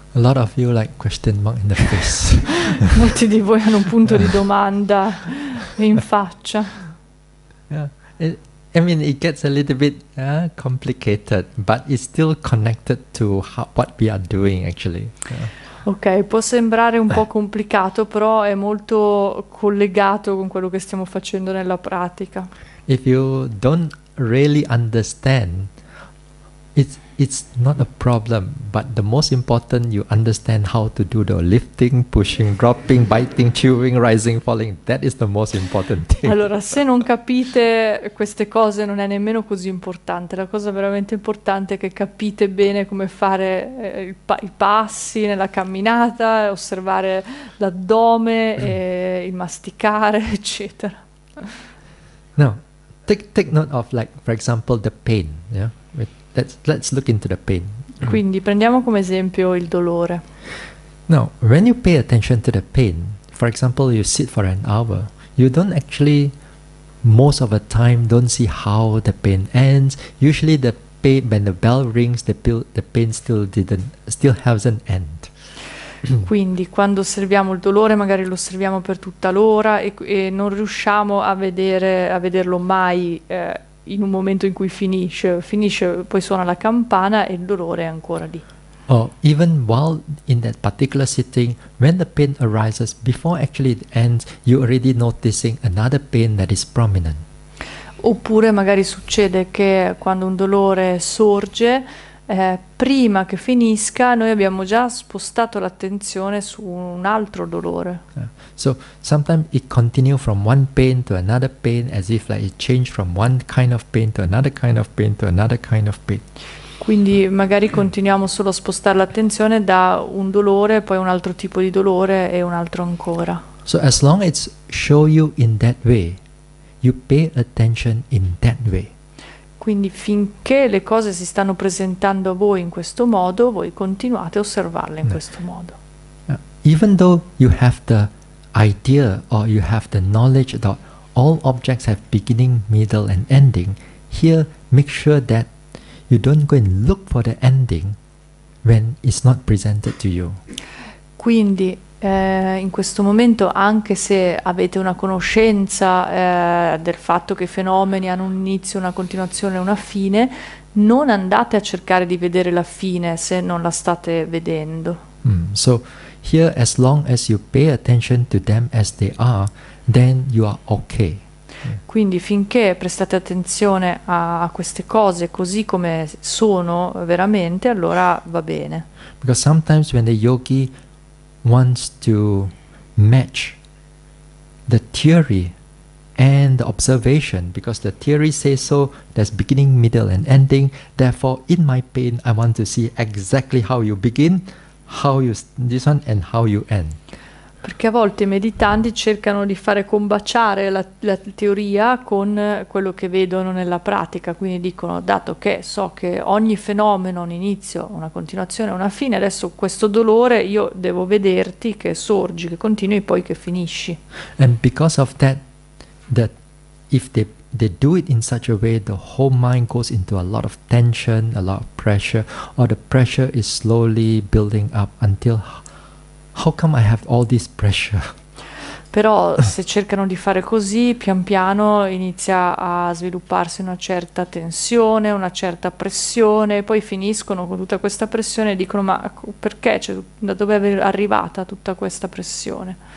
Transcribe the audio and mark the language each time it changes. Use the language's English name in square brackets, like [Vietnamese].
[English] A lot of you like question mark in the face. [Italian] Molti di voi hanno un punto di domanda in faccia. [English] Yeah. It gets a little bit complicated, but it's still connected to what we are doing actually. [Italian] Ok, può sembrare un po' complicato, però è molto collegato con quello che stiamo facendo nella pratica. [English] If you don't really understand, it's not a problem, but the most important, you understand how to do the lifting, pushing, dropping, biting, chewing, rising, falling. That is the most important thing. [Italian] Allora, se non capite queste cose, non è nemmeno così importante. La cosa veramente importante è che capite bene come fare i passi nella camminata, osservare l'addome, e il masticare, eccetera. [English] No, take note of, like, for example, the pain, yeah? Let's look into the pain. [Italian] Quindi prendiamo come esempio il dolore. [English] Now, when you pay attention to the pain, for example, you sit for an hour, you don't actually, most of the time, don't see how the pain ends. Usually, the pain, when the bell rings, the pain still hasn't ended. [Italian] Quindi quando osserviamo il dolore, magari lo osserviamo per tutta l'ora e non riusciamo a vederlo mai. In un momento in cui finisce, poi suona la campana e il dolore è ancora lì. [English] Oh, even while in that particular sitting, when the pain arises, before actually it ends, you already noticing another pain that is prominent. [Italian] Oppure magari succede che quando un dolore sorge, prima che finisca, noi abbiamo già spostato l'attenzione su un altro dolore. [English] So sometimes it continue from one pain to another pain, as if like it changed from one kind of pain to another kind of pain to another kind of pain. [Italian] Quindi magari continuiamo solo a spostare l'attenzione da un dolore, poi un altro tipo di dolore e un altro ancora. [English] So as long as show you in that way, you pay attention in that way. [Italian] Quindi finché le cose si stanno presentando a voi in questo modo, voi continuate a osservarle in questo modo. [English] Even though you have the idea or you have the knowledge that all objects have beginning, middle and ending, here make sure that you don't go and look for the ending when it's not presented to you. [Italian] Quindi in questo momento, anche se avete una conoscenza del fatto che i fenomeni hanno un inizio, una continuazione e una fine, non andate a cercare di vedere la fine se non la state vedendo. [English] So here, as long as you pay attention to them as they are, then you are okay. [Italian] Quindi finché prestate attenzione a queste cose così come sono veramente, allora va bene. [English] Because sometimes when the yogi wants to match the theory and the observation, because the theory says so, there's beginning, middle and ending, therefore in my pain I want to see exactly how you begin, how you this one and how you end. [Italian] Perché a volte i meditanti cercano di fare combaciare la teoria con quello che vedono nella pratica, quindi dicono, dato che so che ogni fenomeno ha un inizio, una continuazione, una fine, adesso questo dolore io devo vederti che sorgi, che continui, poi che finisci. [English] And because of that if they do it in such a way, the whole mind goes into a lot of tension, a lot of pressure, or the pressure is slowly building up until how come I have all this pressure? [Italian] Però se cercano di fare così, pian piano inizia a svilupparsi una certa tensione, una certa pressione, poi finiscono con tutta questa pressione e dicono, ma perché? Cioè, da dove è arrivata tutta questa pressione?